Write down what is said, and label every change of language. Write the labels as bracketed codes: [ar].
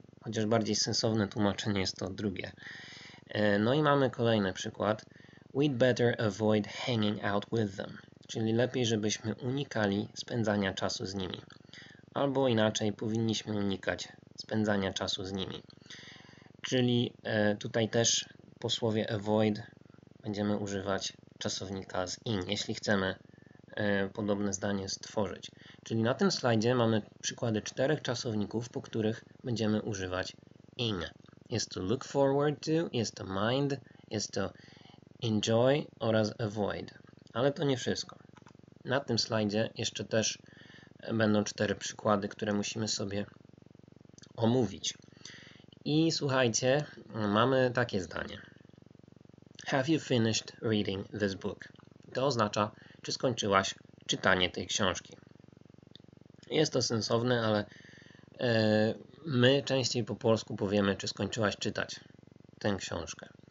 [pl] Chociaż bardziej sensowne tłumaczenie jest to drugie. No i mamy kolejny przykład. [en] We'd better avoid hanging out with them. [pl] Czyli lepiej, żebyśmy unikali spędzania czasu z nimi. Albo inaczej, powinniśmy unikać spędzania czasu z nimi. Czyli tutaj też po słowie avoid będziemy używać czasownika z in, jeśli chcemy podobne zdanie stworzyć. Czyli na tym slajdzie mamy przykłady czterech czasowników, po których będziemy używać in. Jest to look forward to, jest to mind, jest to enjoy oraz avoid. Ale to nie wszystko. Na tym slajdzie jeszcze też będą cztery przykłady, które musimy sobie omówić. I słuchajcie, mamy takie zdanie. [en] Have you finished reading this book? [pl] To oznacza, czy skończyłaś czytanie tej książki. Jest to sensowne, ale my częściej po polsku powiemy, czy skończyłaś czytać tę książkę.